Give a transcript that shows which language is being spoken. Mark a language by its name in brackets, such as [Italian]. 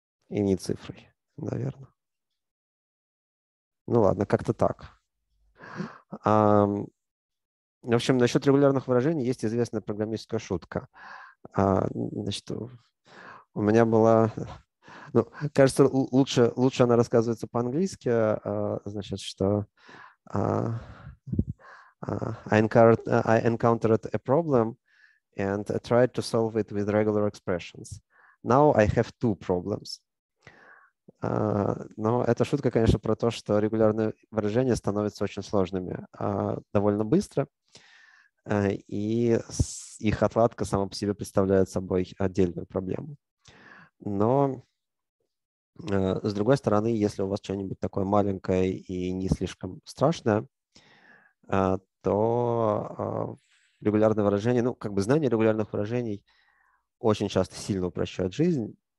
[Russian] И не цифрой, наверное. Ну ладно, как-то так. В общем, насчет регулярных выражений есть известная программистская шутка. Значит, у меня была... Ну, кажется, лучше она рассказывается по-английски. Значит, что... [English] I encountered a problem and I tried to solve it with regular expressions. Now I have two problems. [Russian] Но эта шутка, конечно, про то, что регулярные выражения становятся очень сложными довольно быстро, и их отладка сама по себе представляет собой отдельную проблему. Но, с другой стороны, если у вас что-нибудь такое маленькое и не слишком страшное, то регулярные выражения, ну, как бы знание регулярных выражений очень часто сильно упрощает жизнь.